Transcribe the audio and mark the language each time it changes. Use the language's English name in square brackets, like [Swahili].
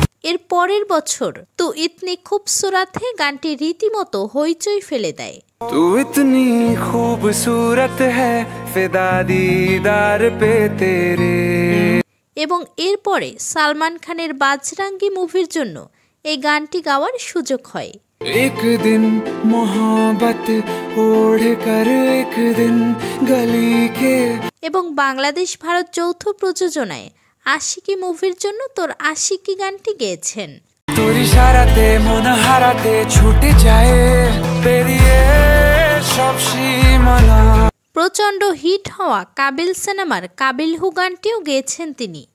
[Bangla] এর পরের বছর তু ইতনি খুবসুরত হে গানটি রীতিমতো হইচই ফেলে দেয়। [Hindi] तू इतनी खूबसूरत है फिदा दीदार पे तेरे। [Bangla] এবং এরপরে সালমান খানের বাজরাঙ্গি মুভির জন্য এই গানটি গাওয়ার সুযোগ হয়। [Hindi] एक दिन मोहब्बत ओढ़ कर एक दिन गली के। [Bangla] এবং বাংলাদেশ ভারত যৌথ প্রযোজনায় আশিকি মুভির জন্য তোর আশিকি গানটি গেয়েছেন। তোর ইশারাতে মন হারাতে ছুটে যায় পেরিয়ে সব সীমানা। প্রচন্ড হিট হওয়া কাবিল সিনেমার কাবিল হু গানটিও গেয়েছেন তিনি।